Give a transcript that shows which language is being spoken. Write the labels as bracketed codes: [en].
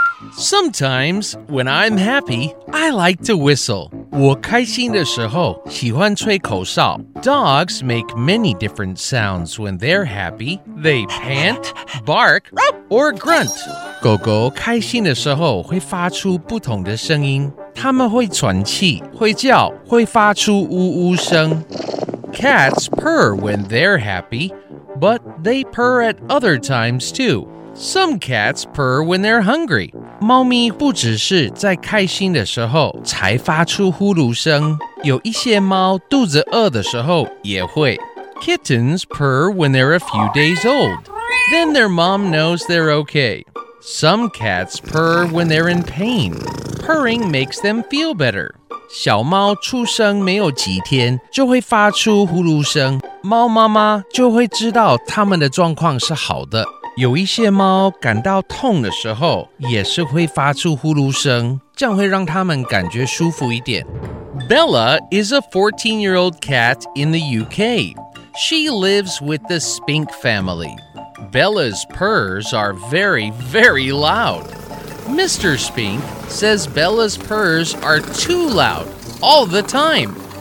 [en] Sometimes, when I'm happy, I like to whistle. [zh] 我开心的时候喜欢吹口哨。 [en] Dogs make many different sounds when they're happy. They pant, bark, or grunt. [zh] 狗狗开心的时候会发出不同的声音。它们会喘气，会叫，会发出呜呜声。 [en] Cats purr when they're happy, but they purr at other times too. Some cats purr when they're hungry. [zh] 猫咪不只是在开心的时候才发出呼噜声，有一些猫肚子饿的时候也会。 [en] Kittens purr when they're a few days old. Then their mom knows they're okay. Some cats purr when they're in pain. Purring makes them feel better. [zh] 小猫出生没有几天就会发出呼噜声，猫妈妈就会知道它们的状况是好的。有一些猫感到痛的时候也是会发出呼噜声，这样会让它们感觉舒服一点。 [en] Bella is a 14-year-old cat in the UK. She lives with the Spink family. Bella's purrs are very, very loud. Mr. Spink says Bella's purrs are too loud all the time.